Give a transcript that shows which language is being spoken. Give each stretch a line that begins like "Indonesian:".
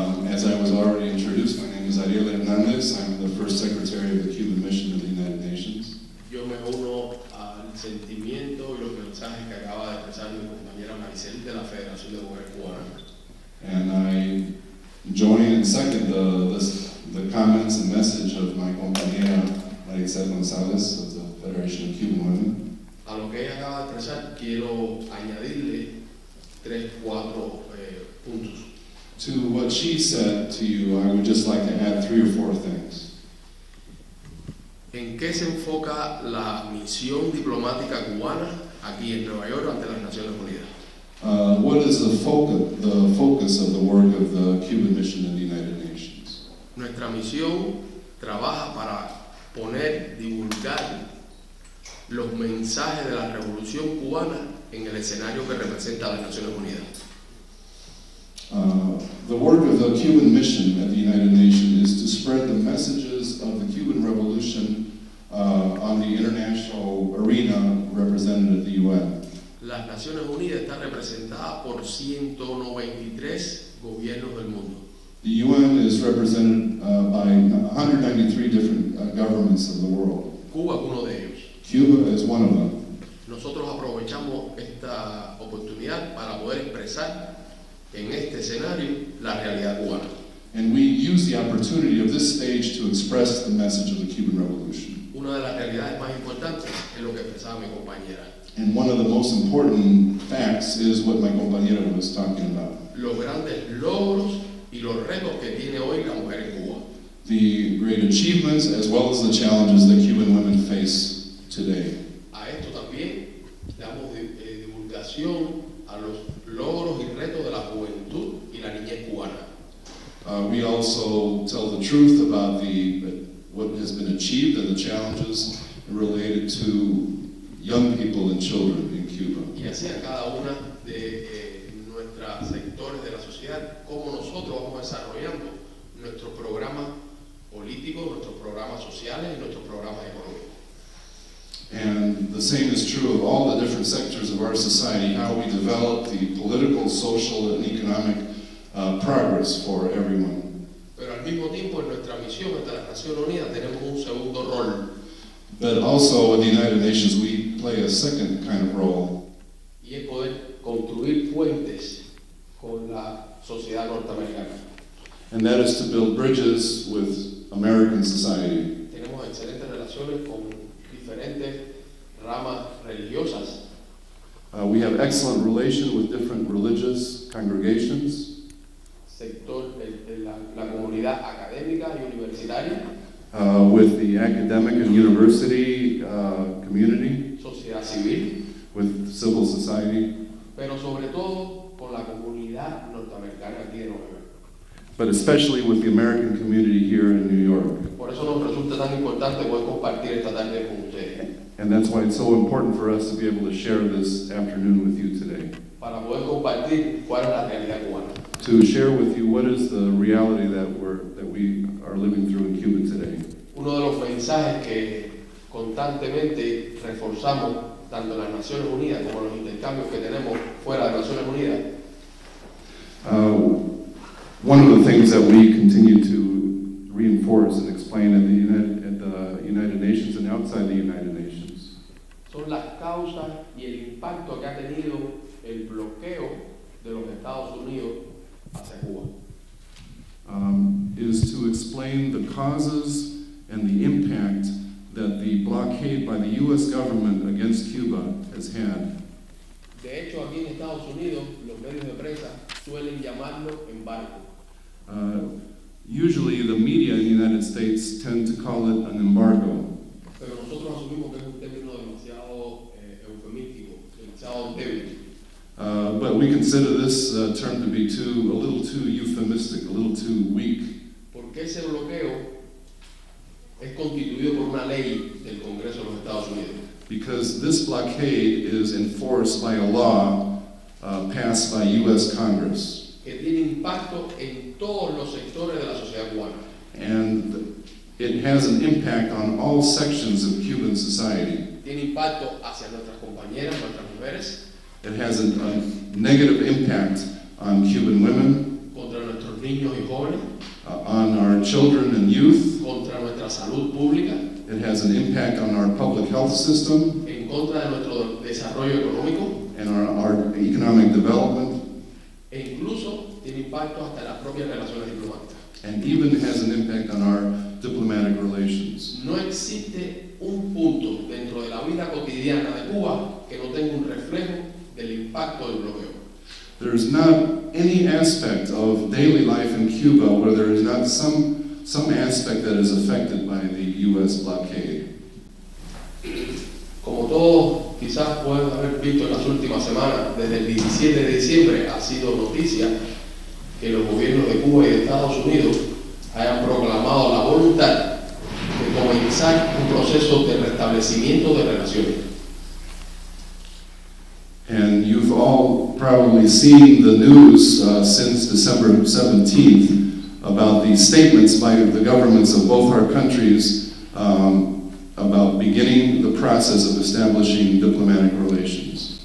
English: As I was already introduced, my name is Ariel Hernandez. I'm the first secretary of the Cuban Mission of the United Nations.
Spanish: Yo me uno al sentimiento y los mensajes que acaba de expresar mi compañera Maritzel de la Federación de Mujeres Cubanas.
English: And I join and second the comments and message of my compañera Maritzel Gonzalez of the Federation of Cuban Women.
Spanish: A lo que ella acaba de expresar, quiero añadirle tres, cuatro puntos.
English: To what she said to you, I would just like to add three or four things.
Spanish: ¿En qué se enfoca la misión diplomática cubana aquí en Nueva York ante las Naciones Unidas?
English: What is the focus of the work of the Cuban mission in the United Nations?
Spanish: Nuestra misión trabaja para poner, divulgar los mensajes de la revolución cubana en el escenario que representa las Naciones Unidas.
English: The work of the Cuban mission at the United Nations is to spread the messages of the Cuban revolution on the international arena represented at the UN.
Spanish: Las Naciones Unidas están representadas por 193 gobiernos del mundo.
English: The UN is represented by 193 different governments of the world.
Spanish: Cuba es uno de ellos.
English: Cuba is one of them.
Spanish: Nosotros aprovechamos esta oportunidad para poder expresar en este escenario la realidad cubana.
English: And we use the opportunity of this stage to express the message of the Cuban Revolution.
Spanish: Una de las realidades más importantes es lo que expresaba mi compañera.
English: And one of the most important facts is what my compañera was talking about.
Spanish: Los grandes logros y los retos que tiene hoy la mujer en Cuba.
English: The great achievements as well as the challenges that Cuban women face today.
Spanish: A esto también damos divulgación a los logros y retos de la juventud y la niñez cubana.
English: We also tell the truth about what has been achieved and the challenges related to young people and children in Cuba.
Spanish: Y así a cada una de nuestros sectores de la sociedad, cómo nosotros vamos desarrollando nuestros programas políticos, nuestros programas sociales y nuestros programas económicos.
English: And the same is true of all the different sectors of our society, how we develop the political, social, and economic progress for everyone.
Spanish: Pero al mismo tiempo, en nuestra misión hasta las Naciones Unidas, tenemos un segundo rol.
English: But also, in the United Nations, we play a second kind of role.
Spanish: Y es poder construir puentes con la sociedad norteamericana.
English: And that is to build bridges with American society.
Spanish: Tenemos excelentes relaciones con diferentes ramas religiosas.
English: We have excellent relations with different religious congregations.
Spanish: Sector la comunidad académica y universitaria.
English: With the academic and university community.
Spanish: Sociedad civil.
English: With civil society.
Spanish: Pero sobre todo con la comunidad norteamericana aquí en Nueva York.
English: But especially with the American community here in New York.
Spanish: Por eso nos resulta tan importante poder compartir esta tarde con ustedes.
English: And that's why it's so important for us to be able to share this afternoon with you today.
Spanish: Para poder compartir cuál es la realidad cubana.
English: To share with you what is the reality that we are living through in Cuba today.
Spanish: Uno de los mensajes que constantemente reforzamos tanto las Naciones Unidas como los intercambios que tenemos fuera de Naciones Unidas.
English: One of the things that we continue to reinforce and explain at the United Nations and outside the United Nations.
Spanish: Son las causas y el impacto que ha tenido el bloqueo de los Estados Unidos hacia Cuba.
English: Is to explain the causes and the impact that the blockade by the U.S. government against Cuba has had.
Spanish: De hecho, aquí en Estados Unidos, los medios de prensa suelen llamarlo embargo.
English: Usually the media in the United States tend to call it an embargo.
Spanish: Pero nosotros asumimos que es un término demasiado eufemístico, demasiado débil.
English: But we consider this term to be a little too euphemistic, a little too weak.
Spanish: Porque ese bloqueo es constituido por una ley del Congreso de los Estados Unidos.
English: Because this blockade is enforced by a law passed by U.S. Congress.
Spanish: Que tiene impacto en todos los sectores de la sociedad cubana.
English: And it has an impact on all sections of Cuban society.
Spanish: Tiene impacto hacia nuestras compañeras, nuestras mujeres.
English: It has a negative impact on Cuban women.
Spanish: Contra nuestros niños y jóvenes.
English: On our children and youth.
Spanish: Contra nuestra salud pública.
English: It has an impact on our public health system.
Spanish: En contra de nuestro desarrollo económico.
English: And our economic development.
Spanish: E incluso tiene impacto hasta las propias relaciones diplomáticas.
English: And even has an impact on our diplomatic relations.
Spanish: No existe un punto dentro de la vida cotidiana de Cuba que no tenga un reflejo del impacto del bloqueo.
English: There is not any aspect of daily life in Cuba where there is not some aspect that is affected by the U.S. blockade.
Spanish: Como todos quizás puedan haber visto en las últimas semanas, desde el 17 de diciembre ha sido noticia que los gobiernos de Cuba y de Estados Unidos hayan proclamado la voluntad de comenzar un proceso de restablecimiento de relaciones.
English: And you've all probably seen the news since December 17th about the statements by the governments of both our countries about beginning the process of establishing diplomatic relations.